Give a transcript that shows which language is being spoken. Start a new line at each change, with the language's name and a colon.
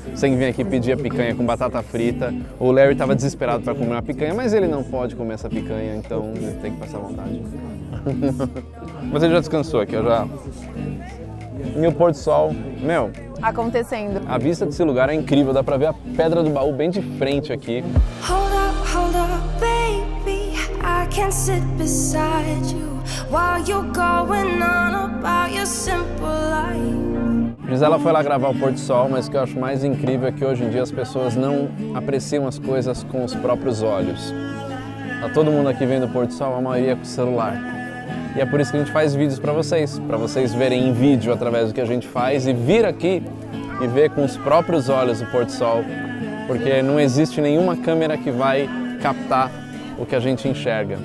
Portuguese: Sem vir aqui pedir a picanha com batata frita. O Larry tava desesperado pra comer uma picanha, mas ele não pode comer essa picanha, então ele tem que passar vontade. Mas ele já descansou aqui, E o pôr do sol, meu... acontecendo. A vista desse lugar é incrível, dá pra ver a Pedra do Baú bem de frente aqui.
English: Hold up, baby, I can't sit beside you while you're going on about your simple life.
Portuguese: Gisela foi lá gravar o pôr do sol, mas o que eu acho mais incrível é que hoje em dia as pessoas não apreciam as coisas com os próprios olhos. Tá todo mundo aqui vendo o pôr do sol, a maioria com o celular. E é por isso que a gente faz vídeos pra vocês verem em vídeo através do que a gente faz e vir aqui e ver com os próprios olhos o pôr do sol, porque não existe nenhuma câmera que vai captar o que a gente enxerga.